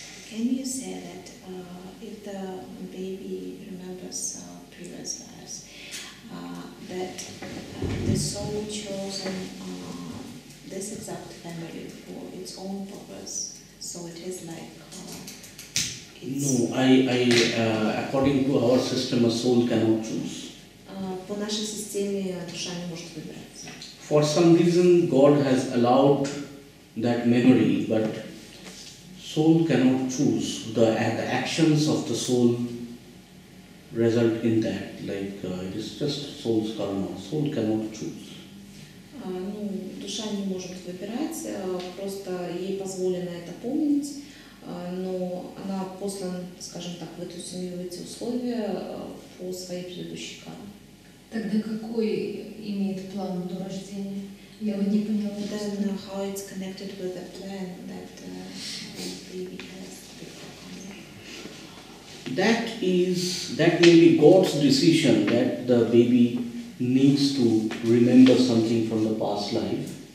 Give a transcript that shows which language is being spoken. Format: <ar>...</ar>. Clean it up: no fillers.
<en>Can you say that if the baby remembers previous lives, that the soul chosen this exact family for its own purpose, so it is like No, according to our system, a soul cannot choose.</en> <ru>По нашей системе душа не может выбирать.</ru> <en>For some reason, God has allowed that memory, but soul cannot choose. The actions of the soul result in that. Like, it is just soul's karma. Soul cannot choose.</en> <ru>Ну, душа не может выбирать, просто ей позволено это помнить. Но она послана, скажем так, в эту семью, в эти условия по своей предыдущей карме. Тогда какой имеет план до рождения? Я вот не поняла.</ru> <en>I don't know how it's connected with the plan that the baby has before. That may be God's decision that the baby needs to remember something from the past life.</en>